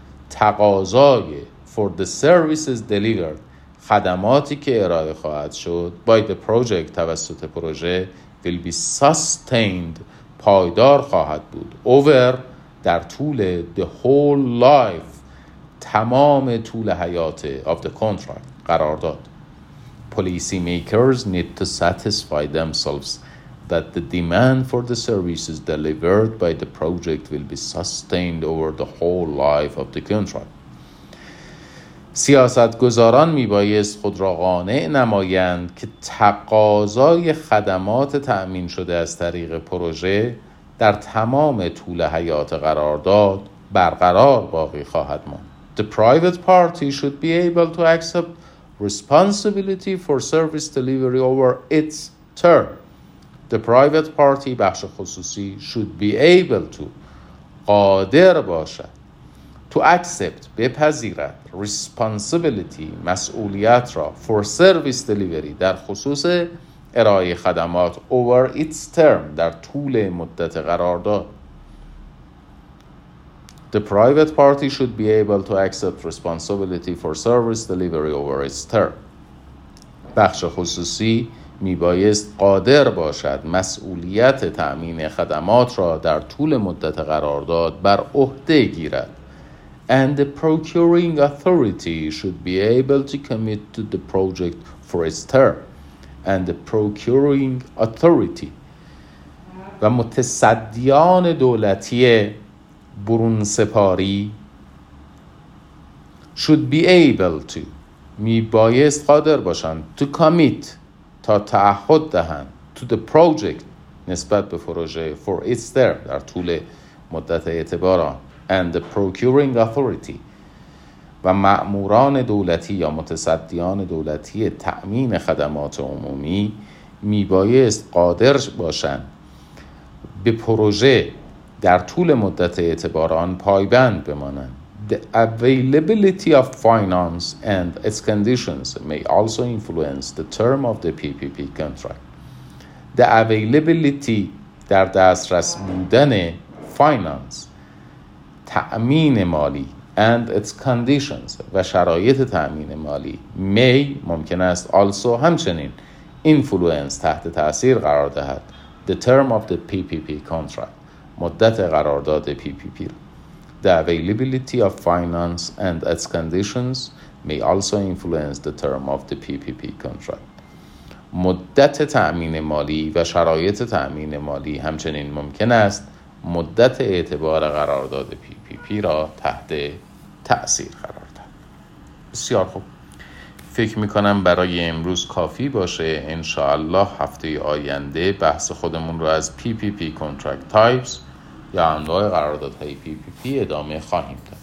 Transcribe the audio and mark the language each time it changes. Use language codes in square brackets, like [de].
[fa] تقاضای [en] for the services delivered, [fa] خدماتی که ارائه خواهد شد [en] by the project, [fa] توسط پروژه [en] will be sustained, [fa] پایدار خواهد بود [en] over, [fa] در طول [en] the whole life, [fa] تمام طول حیات [en] of the contract, [fa] قرارداد. [en] Policy makers need to satisfy themselves that the demand for the services delivered by the project will be sustained over the whole life of the contract. [fa] سیاست‌گذاران می‌بایست خود را قانع نمایند که تقاضای خدمات تأمین شده از طریق پروژه در تمام طول حیات قرارداد برقرار باقی خواهد ماند. [en] The private party should be able to accept responsibility for service delivery over its term. The private party, [fa] بخش خصوصی, [en] should be able to, [fa] قادر باشد, [en] to accept, [fa] بپذیرد, [en] responsibility, [fa] مسئولیت را, [en] for service delivery, [fa] در خصوص ارائه خدمات, [en] over its term, [fa] در طول مدت قرارداد. [en] The private party should be able to accept responsibility for service delivery over its term. [fa] بخش خصوصی می بایست قادر باشد مسئولیت تأمین خدمات را در طول مدت قرارداد بر عهده گیرد. [en] And the procuring authority should be able to commit to the project for its term. And the procuring authority [fa] و متصدیان دولتی برون سپاری [en] should be able to, [fa] می بایست قادر باشند [en] to commit, [fa] تا تعهد دهند [en] to the project, [fa] نسبت به پروژه [en] for its term, [fa] در طول مدت اعتبار. [en] And the procuring authority [fa] و مأموران دولتی یا متصدیان دولتی تأمین خدمات عمومی می بایست قادر باشند به پروژه در طول مدت اعتبار آن پایبند بمانند. [en] The availability of finance and its conditions may also influence the term of the PPP contract. The availability, [fa] در دسترس بودن [en] finance, [fa] تأمین مالی, [en] and its conditions, [fa] و شرایط تأمین مالی, [en] may, [fa] ممکن است, [en] also, [fa] همچنین, [en] influence, [fa] تحت تأثیر قرار دهد, [en] the term of the PPP contract, [fa] مدت قرارداد PPP. [en] The availability of finance and its conditions may also influence the term of the PPP contract. [fa] مدت تأمین مالی و شرایط تأمین مالی همچنین ممکن است مدت اعتبار قرارداد PPP را تحت تأثیر قرار دهد. بسیار خوب. فکر میکنم برای امروز کافی باشه. انشاءالله هفته آینده بحث خودمون را از [en] PPP contract types [fa] یا انواع قراردادهای PPP ادامه خواهیم داد.